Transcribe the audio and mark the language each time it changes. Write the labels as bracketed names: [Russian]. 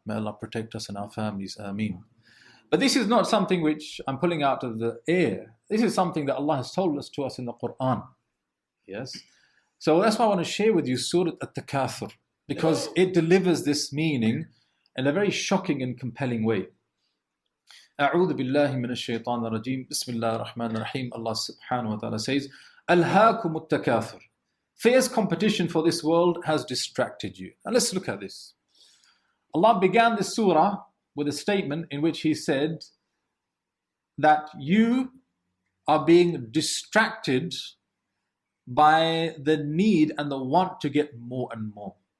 [English] May Allah protect us and our families. Ameen. But this is not something which I'm pulling out of the air. This is something that Allah has told us to us in the Quran. Yes. So that's why I want to share with you Surah At-Takathur, because it delivers this meaning in a very shocking and compelling way. [Arabic] أعوذ بالله من الشيطان الرجيم بسم الله الرحمن الرحيم الله سبحانه وتعالى [English] says [Arabic] ألهاكم التكاثر. [English] Fierce competition for this world has distracted you. Now let's look at this. Allah began this surah with a statement in which he said that you are being distracted by the need and the want to get more and more.